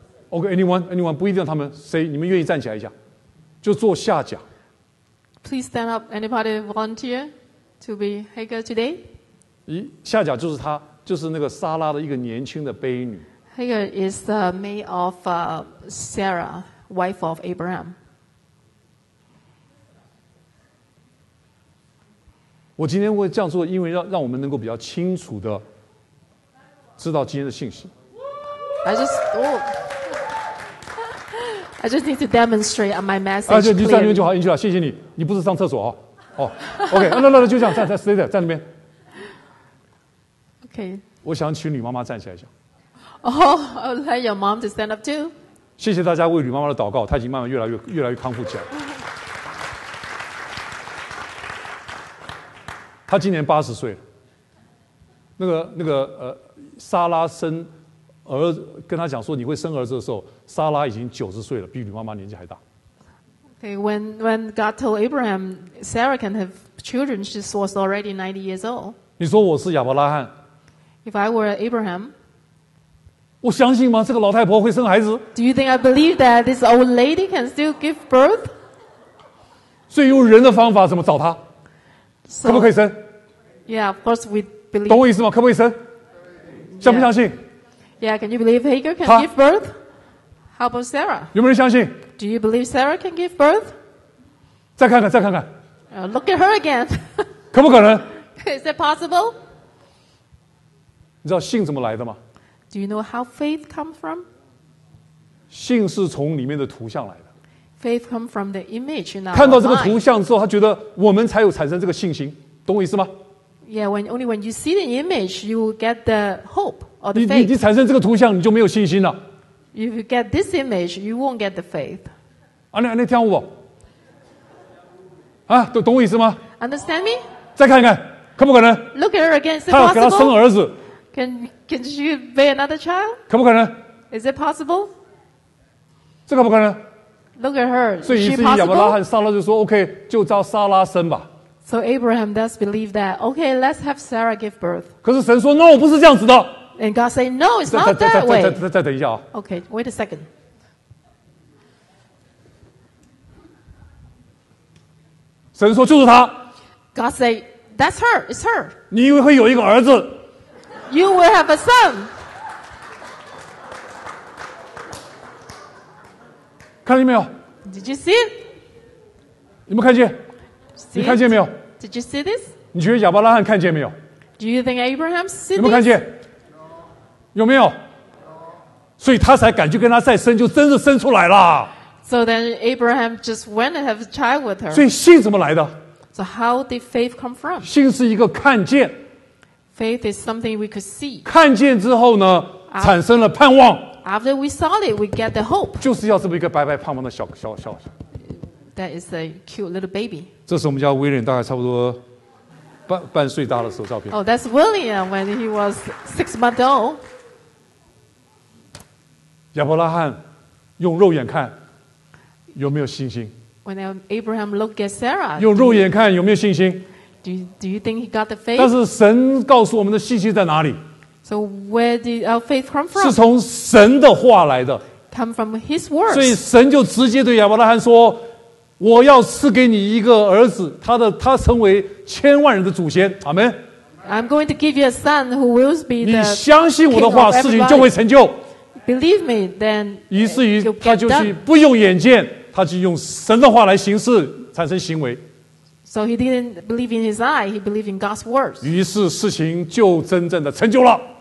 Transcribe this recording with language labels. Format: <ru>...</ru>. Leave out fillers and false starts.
<en>Okay, anyone,</en> <zh>不一定要他们，谁？你们愿意站起来一下，就做下甲。</zh> <en>Please stand up. Anybody volunteer to be Hagar today?</en> <zh>下甲就是他，就是那个撒拉的一个年轻的婢女。</zh> <en>Hagar is the maid of Sarah, wife of Abraham.</en> <zh>我今天会这样做，因为让我们能够比较清楚的知道今天的信息。</zh> <en>I just need to demonstrate my message.</en> <zh>就你站那边就好，进去了，谢谢你。你不是上厕所啊？哦 ，OK， 那就这样，站</zh> <en>stay there，</en> <zh>站那边。</zh> <en>OK。</en> <zh>我想请吕妈妈站起来一下。</zh> <en>I would like your mom to stand up too.</en> <zh>谢谢大家为吕妈妈的祷告，她已经慢慢越来越康复起来。她今年80岁了。莎拉生儿跟她讲说你会生儿子的时候。莎拉已经90岁了，比吕妈妈年纪还大。</zh> <en>Okay, when God told Abraham Sarah can have children, she was already 90 years old.</en> <zh>你说我是亚伯拉罕</zh> <en>？If I were Abraham,</en> <zh>我相信吗？这个老太婆会生孩子</zh> <en>？Do you think I believe that this old lady can still give birth?</en> <zh>所以用人的方法怎么找她？</zh> <en>So,</en> <zh>可不可以生</zh> <en>？Yeah, of course we believe.</en> <zh>懂我意思吗？可不可以生？</zh> <en>Yeah.</en> <zh>相不相信</zh> <en>？Yeah, can you believe Hagar can give birth? How about Sarah?</en> <zh>有没有人相信</zh> <en>？Do you believe Sarah can give birth?</en> <zh>再看看。</zh> <en>Look at her again.</en> <zh>可不可能</zh> <en>？Is that possible?</en> <zh>你知道信怎么来的吗</zh> <en>？Do you know how faith comes from?</en> <zh>信是从里面的图像来的。</zh> <en>Faith comes from the image.</en> <zh>看到这个图像之后，他觉得我们才有产生这个信心，懂我意思吗</zh> <en>？Yeah, when you see the image, you get the hope or the faith.</en> <zh>你产生这个图像，你就没有信心了。</zh> <en>If you get this image, you won't get the faith.</en> <zh>你听我，懂我意思吗</zh> <en>？Understand me?</en> <zh>再看一看，可不可能</zh> <en>？Look at her again. Is it possible?</en> <zh>她要给她生儿子。</zh> <en>Can she bear another child?</en> <zh>可不可能</zh> <en>？Is it possible?</en> <zh>这可不可能</zh> <en>？Look at her.</en> <zh>所以，亚伯拉罕、撒拉就说 ：“OK， 就照撒拉生吧。”</zh> <en>So Abraham does believe that. Okay, let's have Sarah give birth.</en> <zh>可是神说 ：“No， 不是这样子的。”</zh> <en>And God said, "No, it's not that way."</en> <zh>再等一下啊。</zh> <en>Okay, wait a second.</en> <zh>神说就是他。</zh> <en>God said, "That's her. It's her."</en> <zh>你以为会有一个儿子</zh> <en>？You will have a son.</en> <zh>看见没有</zh> <en>？Did you see it?</en> <zh>你们看见？</zh> <en>See</en> <zh>你看见没有</zh> <en>？Did you see this?</en> <zh>你觉得亚伯拉罕看见没有</zh> <en>？Do you think Abraham see this?</en> <zh>你们看见？有没有？所以他才敢去跟他再生，就真的生出来了。</zh> <en>So then Abraham just went and have a child with her.</en> <zh>所以信怎么来的</zh> <en>？So how did faith come from?</en> <zh>信是一个看见。</zh> <en>Faith is something we could see.</en> <zh>看见之后呢，产生了盼望。</zh> <en>After we saw it, we get the hope.</en> <zh>就是要这么一个白白胖胖的小。</zh> <en>That is a cute little baby.</en> <zh>这是我们家威廉，大概差不多。半岁大的时候照片。</zh> <en>Oh, that's William when he was 6 months old.</en> <zh>亚伯拉罕用肉眼看有没有信心</zh> <en>？When Abraham looked at Sarah,</en> <zh>用肉眼看有没有信心</zh> <en>？Do you think he got the faith?</en> <zh>但是神告诉我们的信心在哪里</zh> <en>？So where did our faith come from?</en> <zh>是从神的话来的。</zh> <en>Come from His words.</en> <zh>所以神就直接对亚伯拉罕说。我要赐给你一个儿子，他成为千万人的祖先。阿门。</zh> <en>I'm going to give you a son who will be the.</en> <zh>你相信我的话，事情就会成就。</zh> <en>Believe me, then.</en> <zh>于是于他就去不用眼见，他就用神的话来行事，产生行为。</zh> <en>So he didn't believe in his eye; he believed in God's words.</en> <zh>于是事情就真正的成就了。</zh>